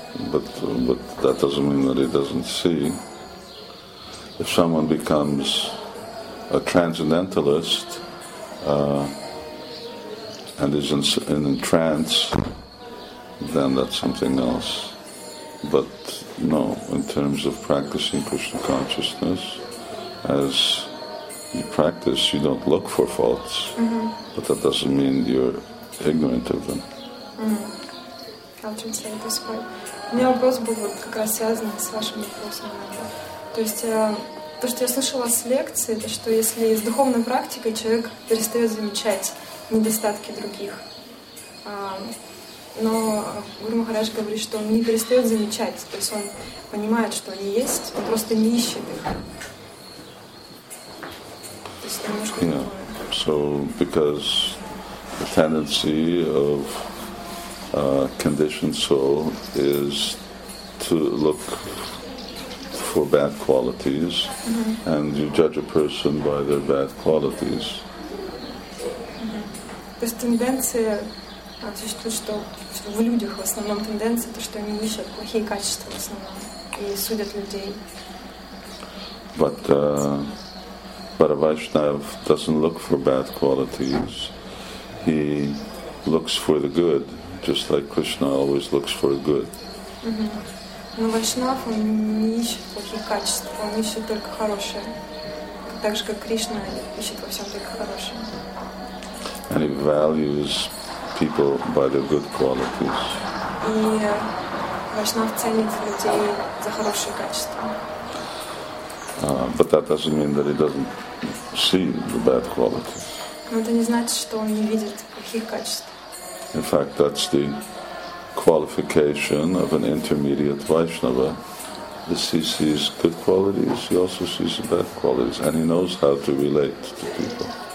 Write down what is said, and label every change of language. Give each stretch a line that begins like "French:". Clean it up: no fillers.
English: But that doesn't mean that he doesn't see. If someone becomes a transcendentalist and is in trance, then that's something else. But no, in terms of practicing Krishna consciousness, as you practice, you don't look for faults, mm-hmm. but that doesn't mean you're ignorant of them. Mm-hmm. I'll translate this part.
Russian: У меня вопрос был вот как раз связан с вашим вопросом. То есть то, что я слышала с лекции, это что если с духовной практикой человек перестает замечать недостатки других. Но Гуру Махарадж говорит, что он не перестает замечать, то есть он понимает, что они есть, он просто не ищет их.
English: Yeah. So, because the tendency of a conditioned soul is to look for bad qualities, mm-hmm. and you judge a person by their bad qualities. Mm-hmm.
Russian: То есть тенденция, что в людях в основном тенденция, то что они ищут плохие качества в основном и судят людей.
English: But a Vaishnava doesn't look for bad qualities. He looks for the good, just like Krishna always looks for good. Mm-hmm.
Russian: Но Вайшнав, он не ищет плохих качеств, он ищет только хорошее. Так же, как Кришна ищет во всем только хорошее.
English: And he values people by their good qualities.
Russian: И Вайшнав ценит людей за хорошие качества.
English: But that doesn't mean that he doesn't see the bad qualities.
Russian: Но это не значит, что он не видит плохих качеств.
English: In fact, that's the qualification of an intermediate Vaishnava. He sees good qualities, he also sees the bad qualities, and he knows how to relate to people.